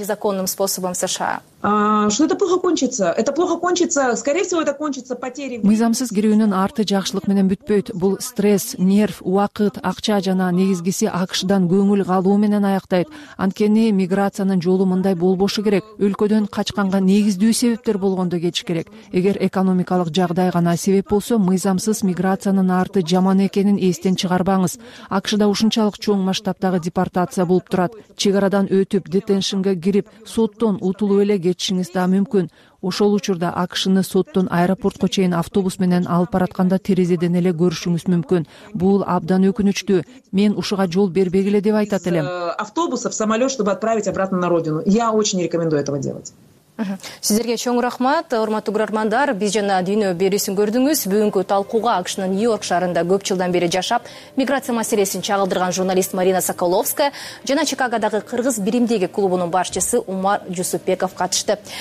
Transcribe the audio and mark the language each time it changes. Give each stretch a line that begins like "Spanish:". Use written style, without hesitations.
Russian: Незаконным способом в США. Что это плохо кончится? Это плохо кончится, скорее всего, это кончится потерей.
Kyrgyz: Мыйзамсыз кирүүнүн арты жакшылык менен бүтпөйт. Бул стресс, нерв, убакыт, акча жана негизгиси АКШдан көңүл калуу менен аяктайт. Анткени миграциянын жолу мындай болбошу керек. Өлкөдөн качканга негиздүү себептер болгондо кетиш керек. Эгер экономикалык жагдай гана себеп болсо, мыйзамсыз миграциянын арты жаман экенин эстен чыгарбаңыз. АКШда ушунчалык чоң масштабтагы депортация болуп турат. Чек арадан өтүп, детеншинге кирип, соттон утулуп эле кетишиңиз да мүмкүн. Ошол учурда АКШны соттон аэропортко чейин автобус менен алып баратканда терезеден эле көрүшүңүз мүмкүн. Бул абдан өкүнүчтүү. Мен ушуга жол бербегиле деп айтат элем.
Russian: Автобусов, самолет, чтобы отправить обратно на родину. Я очень рекомендую этого делать.
Kyrgyz: Сиздерге чоң рахмат, урматтуу көрөрмандар, биз жана дүйнө берүүсүн көрдүңүз. Бүгүнкү талкууга АКШнын Нью-Йорк шаарында көп жылдан бери жашап, миграция маселесин чагылдырган журналист Марина Соколовская жана Чикагодагы кыргыз биримдиги клубунун башчысы Умар Жусупбеков катышты.